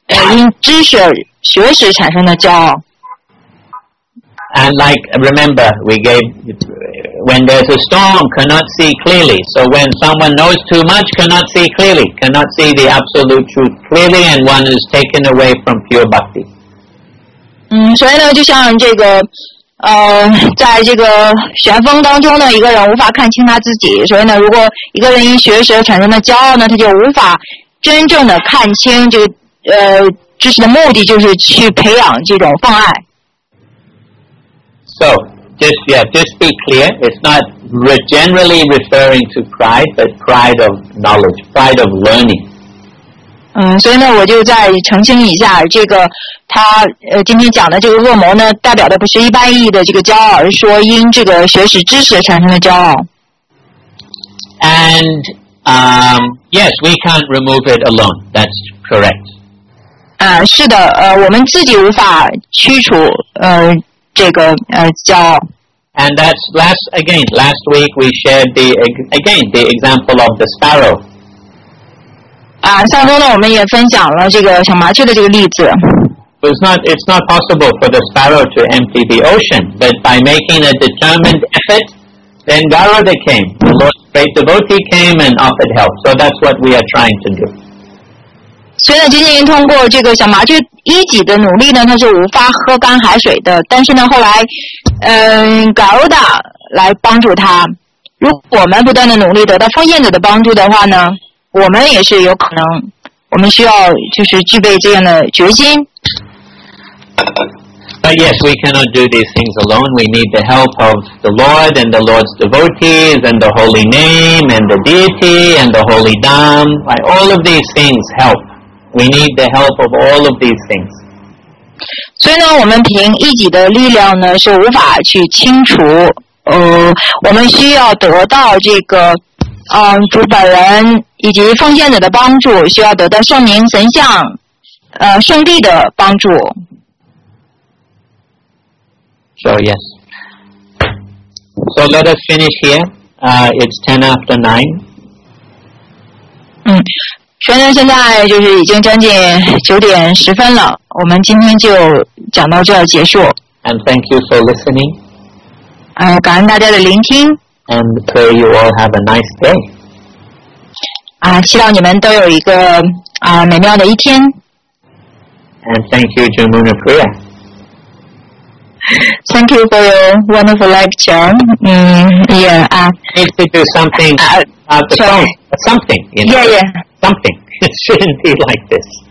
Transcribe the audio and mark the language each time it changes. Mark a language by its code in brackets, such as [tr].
[zh] 因知识学识产生的骄傲。 [en] And like, remember, we gave, when there's a storm, cannot see clearly. So when someone knows too much, cannot see clearly. Cannot see the absolute truth clearly, and one is taken away from pure bhakti. [zh] 所以呢，就像这个，在这个旋风当中呢，一个人无法看清他自己。所以呢，如果一个人因学识产生的骄傲呢，他就无法真正的看清这个。知识的目的就是去培养这种妨碍。 [en] So, just be clear, it's not generally referring to pride, but pride of knowledge, pride of learning. [zh] 所以呢，我就再澄清一下，这个他今天讲的这个恶魔呢，代表的不是一般意义的这个骄傲，而是说因这个学识知识产生的骄傲。 [en] And, yes, we can't remove it alone, that's correct. [zh] 是的，我们自己无法驱除这个骄傲。 [en] And that's last week we shared the example of the sparrow. [zh] 上周呢我们也分享了这个小麻雀的这个例子。 [en] It's not possible for the sparrow to empty the ocean, but by making a determined effort, then Garuda came, the Lord's great devotee came and offered help. So that's what we are trying to do. [zh] 所以呢，仅仅通过这个小麻雀一己的努力呢，它是无法喝干海水的。但是呢，后来，Garuda 来帮助它。如果我们不断的努力得到奉献者的帮助的话呢，我们也是有可能。我们需要就是具备这样的决心。 [en] But yes, we cannot do these things alone. We need the help of the Lord and the Lord's devotees and the holy name and the deity and the holy dham. Like, all of these things help. We need the help of all of these things. [zh] 所以呢，我们凭一己的力量呢是无法去清除。我们需要得到这个，主本人以及奉献者的帮助，需要得到圣明神像，圣地的帮助。 [en] So yes. So let us finish here. It's 10:09. [zh] 全程现在就是已经将近9:10了，我们今天就讲到这儿结束。 [en] And thank you for listening. [zh] 感恩大家的聆听。 [en] And pray you all have a nice day. [zh] 希望你们都有一个美妙的一天。 [en] And thank you, Jumuna Priya. Thank you for your wonderful lecture. Need to do something about the phone. Something, you know. Yeah, yeah. Something. It shouldn't be like this.